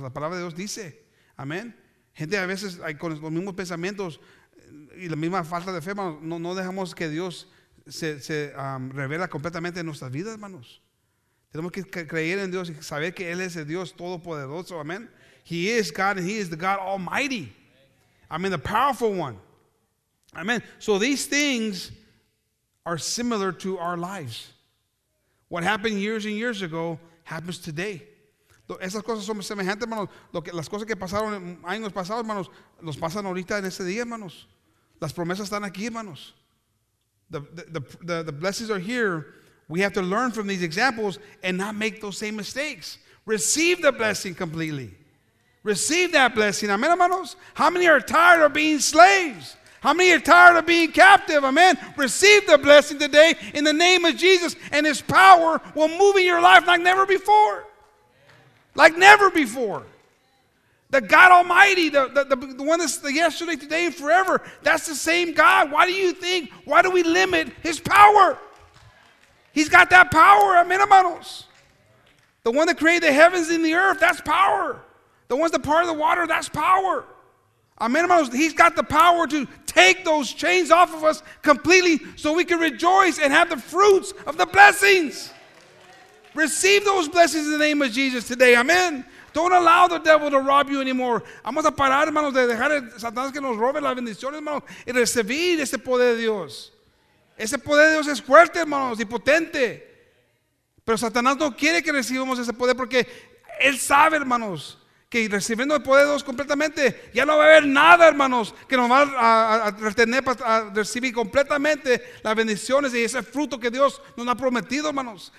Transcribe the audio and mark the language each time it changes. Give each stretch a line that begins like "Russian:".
Spanish: La palabra de Dios dice, amén. Gente, a veces hay con los mismos pensamientos y la misma falta de fe, hermanos, no dejamos que Dios se revela completamente en nuestras vidas, hermanos. Tenemos que creer en Dios y saber que Él es el Dios todopoderoso, amén.
English: He is God and He is the God Almighty. I mean, the powerful one. Amén. So these things are similar to our lives. What happened years and years ago happens today.
Spanish: Esas cosas son semejantes, hermanos. Las cosas que pasaron años pasados, hermanos, los pasan ahorita en este día, hermanos. Las promesas están aquí, hermanos.
English: The blessings are here. We have to learn from these examples and not make those same mistakes. Receive the blessing completely. Receive that blessing. Amen, hermanos. How many are tired of being slaves? How many are tired of being captive? Amen. Receive the blessing today in the name of Jesus, and his power will move in your life like never before. Like never before. The God Almighty, the one that's the yesterday, today, and forever, that's the same God. Why do we limit his power? He's got that power, amen, hermanos. The one that created the heavens and the earth, that's power. The ones that part of the water, that's power. Amen, hermanos. He's got the power to take those chains off of us completely so we can rejoice and have the fruits of the blessings. Receive those blessings in the name of Jesus today. Amen. Don't allow the devil to rob you anymore.
Spanish: Vamos a parar, hermanos, de dejar a Satanás que nos robe las bendiciones, hermanos, y recibir ese poder de Dios. Ese poder de Dios es fuerte, hermanos, y potente. Pero Satanás no quiere que recibamos ese poder porque él sabe, hermanos, que recibiendo el poder de Dios completamente, ya no va a haber nada, hermanos, que nos va a retener para recibir completamente las bendiciones y ese fruto que Dios nos ha prometido, hermanos.